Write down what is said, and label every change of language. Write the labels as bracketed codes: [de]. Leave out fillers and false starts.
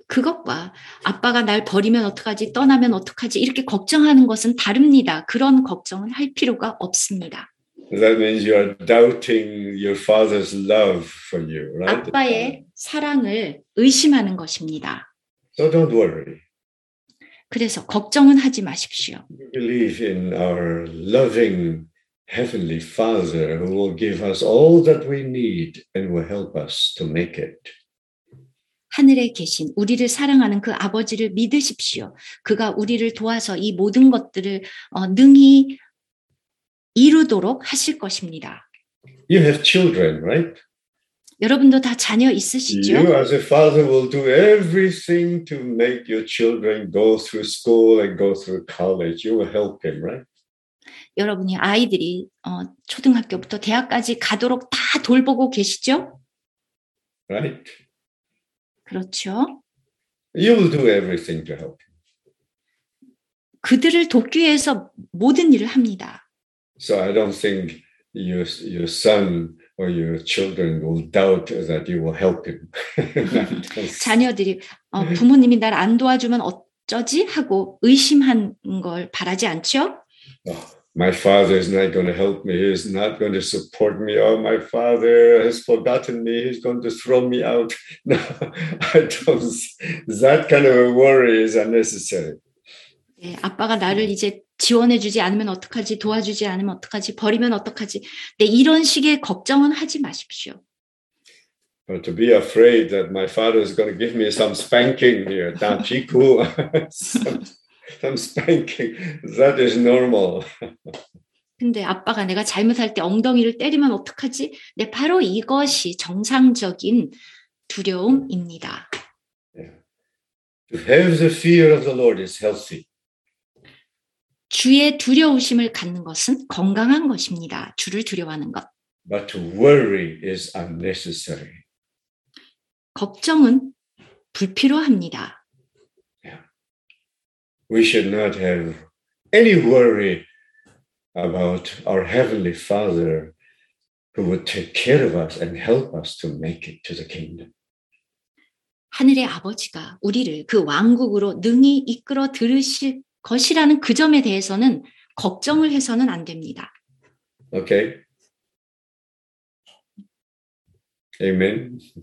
[ko] 그것과 아빠가 날 버리면 어떡하지, 떠나면 어떡하지, 이렇게 걱정하는 것은 다릅니다. 그런 걱정은 할 필요가 없습니다. [en] That means you are doubting your father's love for you, right? [ko] 아빠의 사랑을 의심하는 것입니다. [en] So don't worry. [ko] 그래서 걱정은 하지 마십시오. [en] Believe in our loving heavenly Father who will give us all that we need and will help us to make it. [ko] 하늘에 계신 우리를 사랑하는 그 아버지를 믿으십시오. 그가 우리를 도와서 이 모든 것들을 능히 이루도록 하실 것입니다. [en] You have children, right? [ko] 여러분도 다 자녀 있으시죠? [en] You as a father will do everything to make your children go through school and go through college. You will help him, right? [ko] 여러분이 아이들이 초등학교부터 대학까지 가도록 다 돌보고 계시죠? [en] Right. [ko] 그렇죠. [en] You will do everything to help him. [ko] 그들을 돕기 위해서 모든 일을 합니다. [en] So I don't think your son or your children will doubt that you will help him. [ko] 자녀들이 부모님이 날 안 도와주면 어쩌지 하고 의심한 걸 바라지 않죠? [en] Oh, My father is not going to help me. He is not going to support me. Oh, my father has forgotten me. He's going to throw me out. No, I don't. That kind of a worry is unnecessary. [ko] 네, 아빠가 나를 이제 지원해주지 않으면 어떡하지? 도와주지 않으면 어떡하지? 버리면 어떡하지? 네, 이런 식의 걱정은 하지 마십시오. [en] But to be afraid that my father is going to give me some spanking here, [ko] 다 치고. [en] Some spanking. That is normal. [ko] 근데 아빠가 내가 잘못할 때 엉덩이를 때리면 어떡하지? 네, 바로 이것이 정상적인 두려움입니다. [en] Yeah. To have the fear of the Lord is healthy. [ko] 주의 두려우심을 갖는 것은 건강한 것입니다. 주를 두려워하는 것. [en] But to worry is unnecessary. [ko] 걱정은 불필요합니다. [en] We should not have any worry about our heavenly Father who would take care of us and help us to make it to the kingdom. [ko] 하늘의 아버지가 우리를 그 왕국으로 능히 이끌어 들으실 것이라는 그 점에 대해서는 걱정을 해서는 안 됩니다. [en] Okay. Amen.